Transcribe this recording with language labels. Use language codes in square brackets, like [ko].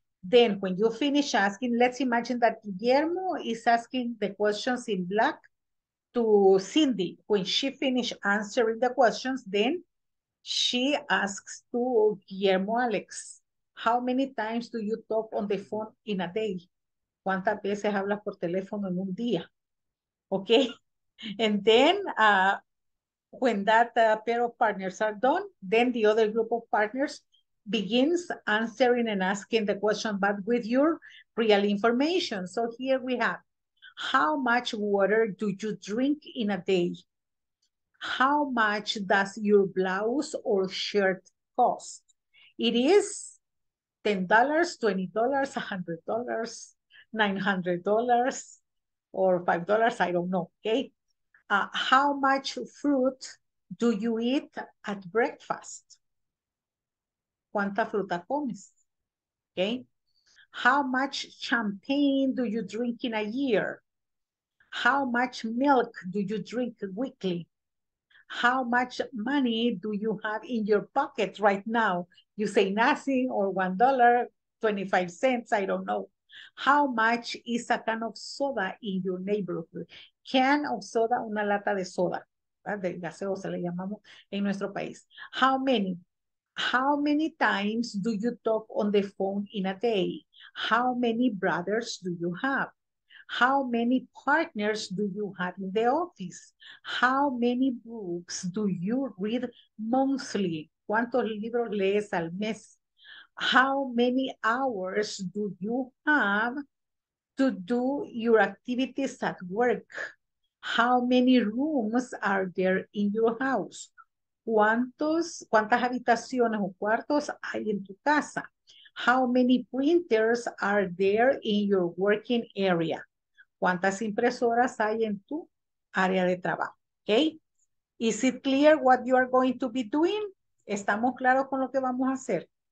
[en] Then when you finish asking, let's imagine that Guillermo is asking the questions in black to Cindy. When she finished answering the questions, then she asks to Guillermo Alex, how many times do you talk on the phone in a day? [es] ¿Cuántas veces hablas por teléfono en un día? [en] Okay. And then when that pair of partners are done, then the other group of partners begins answering and asking the question, but with your real information. So here we have, how much water do you drink in a day? How much does your blouse or shirt cost? It is $10, $20, $100, $900, or $5, I don't know, okay? How much fruit do you eat at breakfast? [es] ¿Cuánta fruta comes? [en] Okay. How much champagne do you drink in a year? How much milk do you drink weekly? How much money do you have in your pocket right now? You say nothing or $1, 25 cents, I don't know. How much is a can of soda in your neighborhood? Can of soda, [es] una lata de soda, de gaseosa le llamamos en nuestro país. [en] How many? How many times do you talk on the phone in a day? How many brothers do you have? How many partners do you have in the office? How many books do you read monthly? [es] ¿Cuántos libros lees al mes? [en] How many hours do you have to do your activities at work? How many rooms are there in your house? [es] ¿Cuántas habitaciones o cuartos hay en tu casa? [en] How many printers are there in your working area? [es] ¿Cuántas impresoras hay en tu área de trabajo? [en] Okay. Is it clear what you are going to be doing? [es] ¿Estamos claros con lo que vamos a hacer?